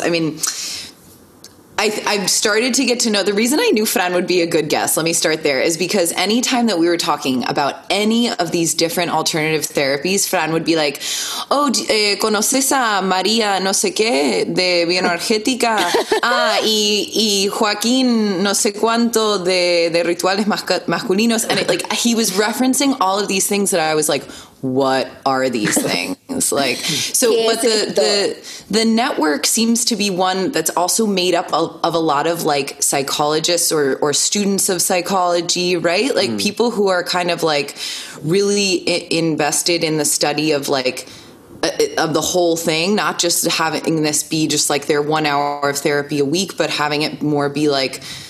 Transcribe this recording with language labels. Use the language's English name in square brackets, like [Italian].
[English] I mean, I've started to get to know, the reason I knew Fran would be a good guest, let me start there, is because anytime that we were talking about any of these different alternative therapies, Fran would be like, oh, [Spanish] ¿conoces a María no sé qué de bioenergética? Ah, y Joaquín no sé cuánto de rituales masculinos. [English] And it, like, he was referencing all of these things that I was like, what are these things like? So, but the network seems to be one that's also made up of a lot of like psychologists or students of psychology, right? Like people who are kind of like really invested in the study of like of the whole thing, not just having this be just like their 1 hour of therapy a week, but having it more be like